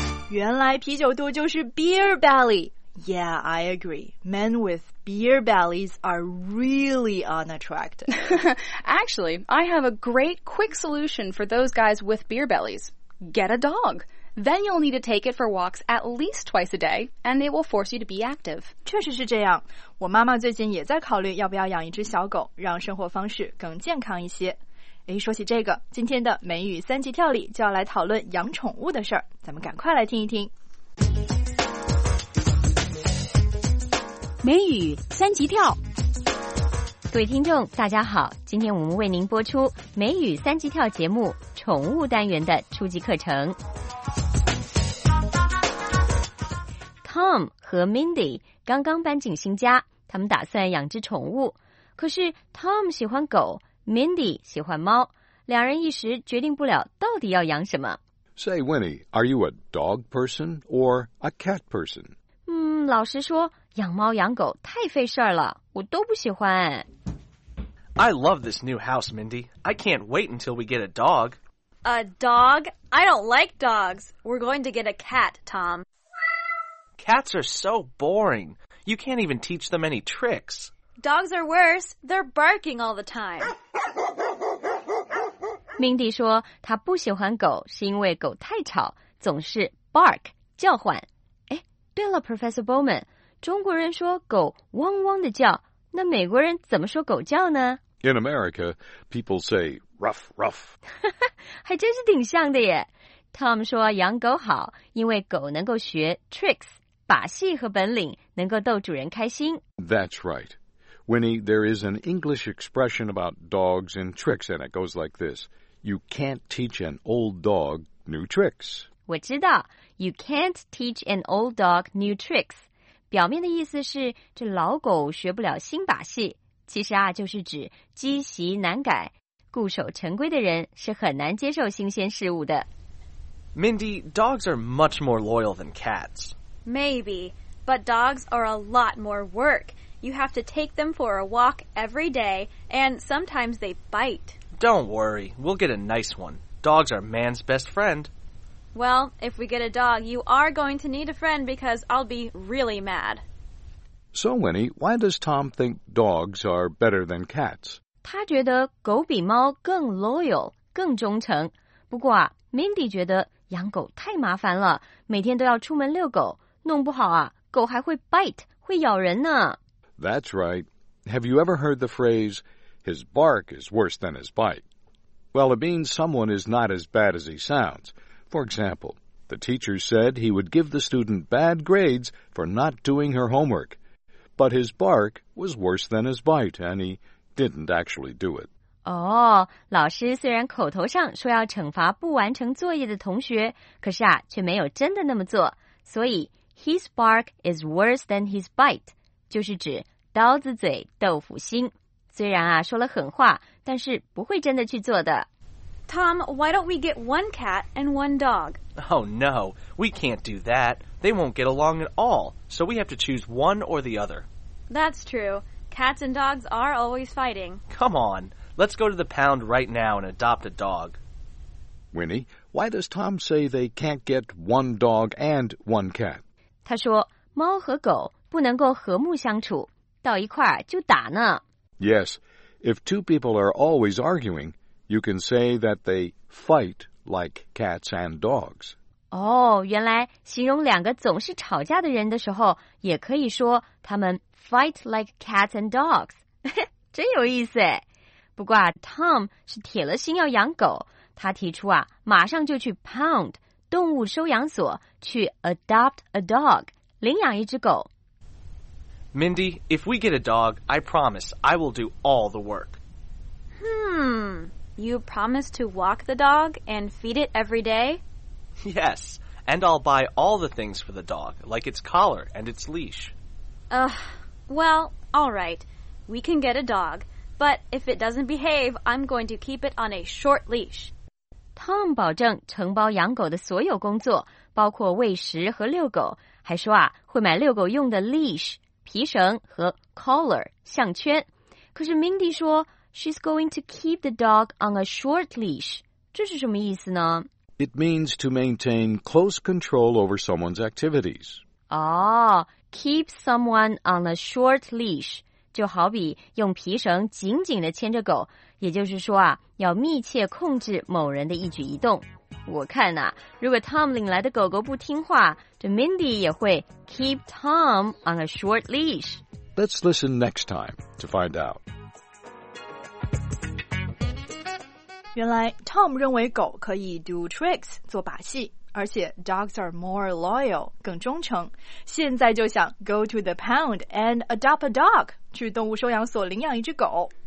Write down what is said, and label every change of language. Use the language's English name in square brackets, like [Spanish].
[Chinese] 原来啤酒肚就是 [English] beer belly。 Yeah, I agree. Men with beer bellies are really unattractive. Actually, I have a great quick solution for those guys with beer bellies. Get a dog. Then you'll need to take it for walks at least twice a day, and it will force you to be active. [Chinese] 确实是这样。我妈妈最近也在考虑要不要养一只小狗，让生活方式更健康一些。诶，说起这个，今天的美语三级跳里就要来讨论养宠物的事儿，咱们赶快来听一听。美语三级跳，各位听众大家好，今天我们为您播出美语三级跳节目宠物单元的初级课程。 Tom 和 Mindy 刚刚搬进新家，他们打算养只宠物，可是 Tom 喜欢狗， Mindy 喜欢猫，两人一时决定不了到底要养什么。 [English] Say Winnie, are you a dog person or a cat person? [Chinese] 老实说，养猫养狗太费事了，我都不喜欢。 [English] I love this new house, Mindy. I can't wait until we get a dog. A dog? I don't like dogs. We're going to get a cat, Tom. Cats are so boring. You can't even teach them any tricks. Dogs are worse. They're barking all the time. [Chinese] Mindy 说她不喜欢狗是因为狗太吵，总是 bark, 叫唤。哎，对了 Professor Bowman,中国人说狗汪汪的叫，那美国人怎么说狗叫呢？ [English] In America, people say ruff ruff. [Chinese] 还真是挺像的耶。 Tom 说养狗好，因为狗能够学 tricks, 把戏和本领，能够逗主人开心。 [English] That's right. Winnie, there is an English expression about dogs and tricks, and it goes like this. You can't teach an old dog new tricks. [Chinese] 我知道， [English] you can't teach an old dog new tricks. [Chinese] 表面的意思是这老狗学不了新把戏，其实啊就是指积习难改，固守成规的人是很难接受新鲜事物的。 [English] Mindy, dogs are much more loyal than cats. Maybe, but dogs are a lot more work. You have to take them for a walk every day, and sometimes they bite. Don't worry, we'll get a nice one. Dogs are man's best friend. Well, if we get a dog, you are going to need a friend because I'll be really mad. So, Winnie, why does Tom think dogs are better than cats? [Chinese] 他觉得狗比猫更 loyal, 更忠诚。不过啊 ,Mindy 觉得养狗太麻烦了，每天都要出门遛狗，弄不好啊，狗还会 bite, 会咬人呢。 [English] That's right. Have you ever heard the phrase, his bark is worse than his bite? Well, it means someone is not as bad as he sounds. For example, the teacher said he would give the student bad grades for not doing her homework. But his bark was worse than his bite, and he didn't actually do it. [Chinese] 哦，老师虽然口头上说要惩罚不完成作业的同学，可是啊，却没有真的那么做。所以 [English] his bark is worse than his bite, [Chinese] 就是指刀子嘴豆腐心。虽然啊，说了狠话，但是不会真的去做的。 [English] Tom, why don't we get one cat and one dog? Oh no, we can't do that. They won't get along at all, so we have to choose one or the other. That's true. Cats and dogs are always fighting. Come on, let's go to the pound right now and adopt a dog. Winnie, why does Tom say they can't get one dog and one cat? [Chinese] 他说猫和狗不能够和睦相处，到一块儿就打呢。 [English] Yes, if two people are always arguing...You can say that they fight like cats and dogs. [Chinese] 哦，原来形容两个总是吵架的人的时候，也可以说他们 [English] fight like cats and dogs， [Chinese] 真有意思哎。不过啊 ，Tom 是铁了心要养狗，他提出啊，马上就去 pound 动物收养所去 [English] adopt a dog [Chinese] 领养一只狗。 [English] Mindy, if we get a dog, I promise I will do all the work. You promise to walk the dog and feed it every day? Yes, and I'll buy all the things for the dog, like its collar and its leash. Well, all right. We can get a dog, but if it doesn't behave, I'm going to keep it on a short leash. [Chinese] Tom 保证承包养狗的所有工作，包括喂食和遛狗，还说啊，会买遛狗用的 leash 皮绳和 collar 项圈。可是 Mindy 说 [English] ，She's going to keep the dog on a short leash. [Chinese] 这是什么意思呢？ [English] It means to maintain close control over someone's activities. Keep someone on a short leash. [Chinese] 就好比用皮绳紧紧地牵着狗，也就是说啊，要密切控制某人的一举一动。我看啊，如果 Tom 领来的狗狗不听话，这 Mindy 也会 [English] keep Tom on a short leash. Let's listen next time to find out. [Chinese] 原来 Tom 认为狗可以 [English] do tricks [Chinese] 做把戏，而且 [English] dogs are more loyal [Chinese] 更忠诚，现在就想 [English] go to the pound and adopt a dog [Chinese] 去动物收养所领养一只狗。